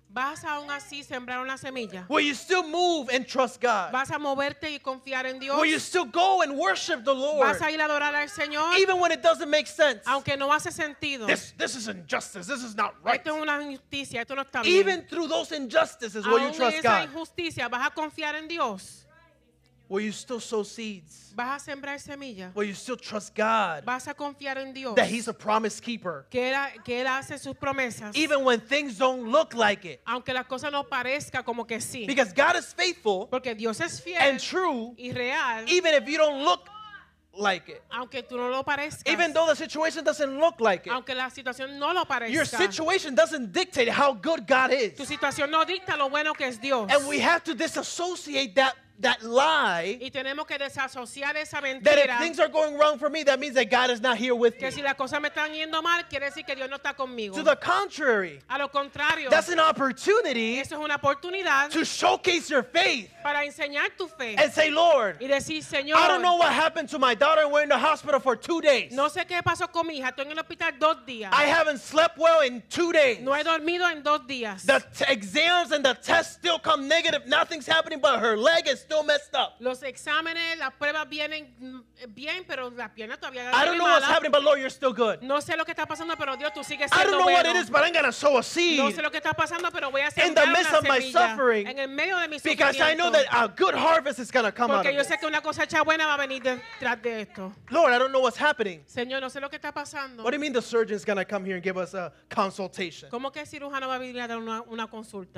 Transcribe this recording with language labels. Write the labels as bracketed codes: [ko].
[es] Vas aún así sembrar una semilla. [en] Will you still move and trust God? [es] Vas a moverte y confiar en Dios. [en] Will you still go and worship the Lord? [es] Vas a ir a adorar al Señor. [en] Even when it doesn't make sense. [es] Aunque no hace sentido. [en] This is injustice. This is not right. [es] Esto es una injusticia. Esto no está bien. [en] Even through those injustices, will you trust God? [es] Aún en esa injusticia, vas a confiar en Dios. [en] Will you still sow seeds? [es] ¿Vas a sembrar semilla? [en] Will you still trust God? [es] ¿Vas a confiar en Dios? [en] That he's a promise keeper. [es] Que él hace sus promesas. [en] Even when things don't look like it. [es] Aunque las cosas no parezca como que sí. [en] Because God is faithful. [es] Porque Dios es fiel. [en] And true. [es] Y real. [en] Even if you don't look like it. [es] Aunque tú no lo parezcas. [en] Even though the situation doesn't look like it. [es] Aunque la situación no lo parezca. [en] Your situation doesn't dictate how good God is. [es] Tu situación no dicta lo bueno que es Dios. [en] And we have to disassociate that lie, [es] y tenemos que desasociar esa mentira, [en] that if things are going wrong for me, that means that God is not here with [es] que [en] me. [es] Si las cosas me están yendo mal, quiere decir que Dios no está conmigo. [en] To the contrary, [es] a lo contrario, [en] that's an opportunity, [es] eso es una oportunidad, [en] to showcase your faith, [es] para enseñar tu fe, [en] and say, Lord, [es] y decir, Señor, [en] I don't know what happened to my daughter, and we're in the hospital for 2 days. [es] No sé qué pasó con mi hija, estoy en el hospital 2 días. [en] I haven't slept well in 2 days. [es] No he dormido en 2 días. [en] The exams and the tests still come negative. Nothing's happening, but her leg is still messed up. [es] Los exámenes, las pruebas vienen bien, pero la pierna todavía está mala. [en] I don't know what's happening, but Lord, you're still good. [es] No sé lo que está pasando, pero Dios, tú sigues siendo bueno. [en] I don't know what it is, but I'm gonna sow a seed. [es] No sé lo que está pasando, pero voy a sembrar una semilla. [en] In the midst of my suffering, [es] en el medio de mi sufrimiento, [en] because I know that a good harvest is gonna come out. [es] Porque yo sé que una cosecha buena va a venir detrás de esto. [en] Lord, I don't know what's happening. [es] Señor, no sé lo que está pasando. [en] What do you mean the surgeon's gonna come here and give us a consultation? [es] ¿Cómo que el cirujano va a venir a dar una consulta?